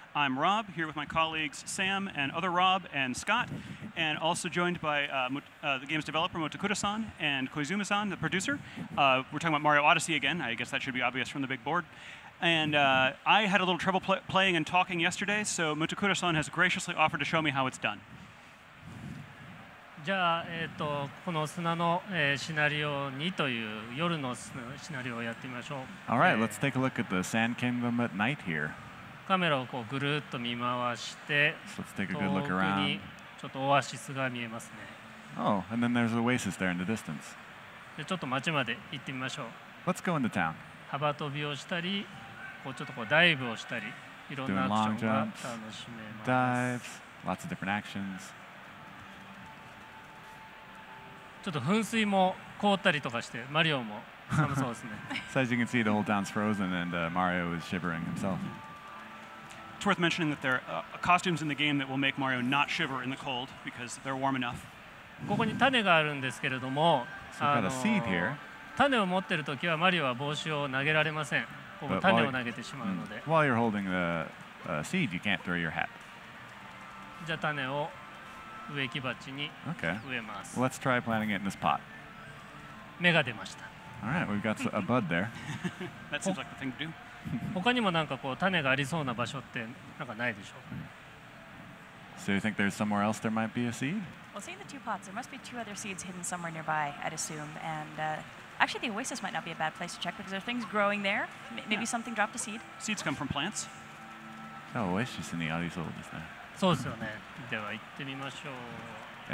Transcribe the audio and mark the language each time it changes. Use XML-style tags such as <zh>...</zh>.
<en>I'm Rob, here with my colleagues Sam and other Rob and Scott, and also joined by the game's developer, Motokura-san, and Koizumi-san, the producer. We're talking about Mario Odyssey again. I guess that should be obvious from the big board. And I had a little trouble playing and talking yesterday, so Motokura-san has graciously offered to show me how it's done.</en> <ja>じゃあ、この砂の、シナリオ2という夜のシナリオをやってみましょう。</ja> <en>All right, let's take a look at the Sand Kingdom at night here.</en> <ja>カメラをこうぐるっと見回して、</ja> <en>so、let's take a good look around.</en> <ja>遠くにちょっとオアシスが見えますね。</ja> <en>Oh, and then there's an oasis there in the distance.</en> <ja>でちょっと街まで行ってみましょう。</ja> <en>Let's go into town.</en> <ja>幅跳びをしたり、こうちょっとこうダイブをしたり、いろんなアクションが楽しめます。</ja> <en>Dives, lots of different actions.</en> <ja>ちょっと噴水も凍ったりとかして、マリオも寒そうですね。</ja> <en>So as you can see, the whole town's frozen and Mario is shivering himself. It's worth mentioning that there are costumes in the game that will make Mario not shiver in the cold because they're warm enough.</en> <ja>ここに種があるんですけれども、種を持ってるときはマリオは帽子を投げられません。ここ種を投げてしまうので。</ja> <en>While you're holding the seed, you can't throw your hat.</en> <ja>じゃあ種を。植木鉢に植えます。</ja> <en>Okay. Let's try planting it in this pot.</en> <ja>芽が出ました。</ja> <en>All right, we've got a bud there. That seems like the thing to do.</en> <ja>他にもなんかこう種がありそうな場所ってなんかないでしょう。</ja> <en>So you think there's somewhere else there might be a seed? Well, seeing the two pots, there must be two other seeds hidden somewhere nearby, I'd assume. And actually, the oasis might not be a bad place to check because there are things growing there. Maybe yeah. something dropped a seed. Seeds come from plants. Oh, oasis in the oasis hole, isn't it?</en> <ja>そうですよね。では行ってみましょう。</ja>